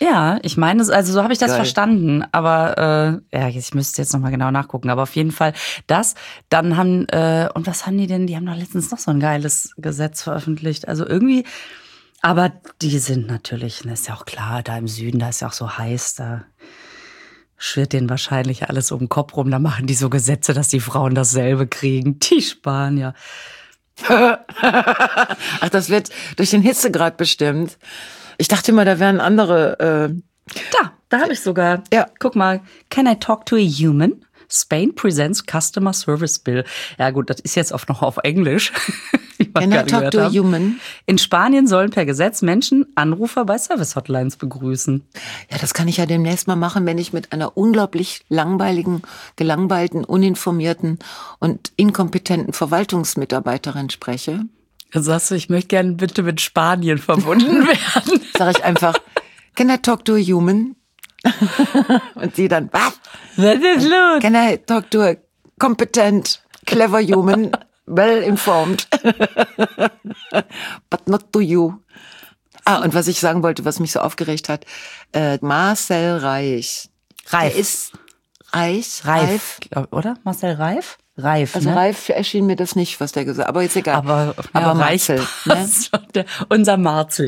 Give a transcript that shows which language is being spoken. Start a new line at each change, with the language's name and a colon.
German: Ja, ich meine, also so habe ich das geil verstanden, aber ich müsste jetzt nochmal genau nachgucken, aber auf jeden Fall das, dann haben, und was haben die denn, die haben doch letztens noch so ein geiles Gesetz veröffentlicht, also irgendwie, aber die sind natürlich, das ist ja auch klar, da im Süden, da ist ja auch so heiß, da schwirrt denen wahrscheinlich alles um den Kopf rum, da machen die so Gesetze, dass die Frauen dasselbe kriegen, die Spanier. Ach, das wird durch den Hitzegrad bestimmt. Ich dachte immer, da wären andere. Da habe ich sogar. Ja.
English: Guck mal, can I talk to a human? Spain presents Customer Service Bill.
German: Ja gut, das ist jetzt oft noch auf Englisch.
English: Can I talk to a human?
German: In Spanien sollen per Gesetz Menschen Anrufer bei Service-Hotlines begrüßen. Ja, das kann ich ja demnächst mal machen, wenn ich mit einer unglaublich langweiligen, gelangweilten, uninformierten und inkompetenten Verwaltungsmitarbeiterin spreche. Dann sagst du, ich möchte gerne bitte mit Spanien verbunden werden. Sag ich einfach,
English: can I talk to a human?
German: Und sie dann, was ist los?
English: Can I talk to a competent, clever human? Well informed. But not to you.
German: Ah, und was ich sagen wollte, was mich so aufgeregt hat, Marcel Reich. Reif. Der ist Reich? Reif. Reif. Oder? Marcel Reif? Reif. Also ne? Reif erschien mir das nicht, was der gesagt hat. Aber ist egal. Aber ja, Marcel. Ne? Unser Marcel.